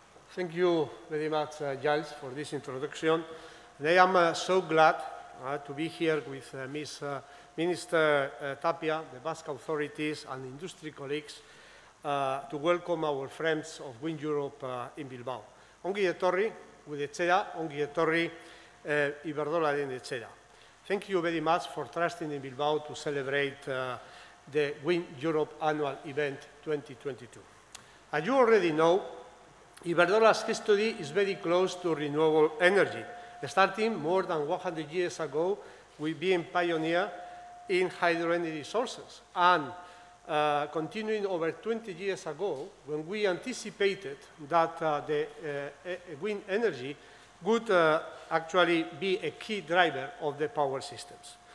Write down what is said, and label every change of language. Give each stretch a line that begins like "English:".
English: Thank you very much, Giles, for this introduction. And I am so glad to be here with Ms. Minister Tapia, the Basque authorities, and industry colleagues to welcome our friends of WindEurope in Bilbao.
Basque: Ongi etorri, gure etxera, ongi etorri, Iberdrolaren etxera.
English: Thank you very much for trusting in Bilbao to celebrate the WindEurope annual event 2022. As you already know, Iberdrola's history is very close to renewable energy, starting more than 100 years ago with being pioneer in hydro energy sources, and continuing over 20 years ago when we anticipated that the wind energy would actually be a key driver of the power systems.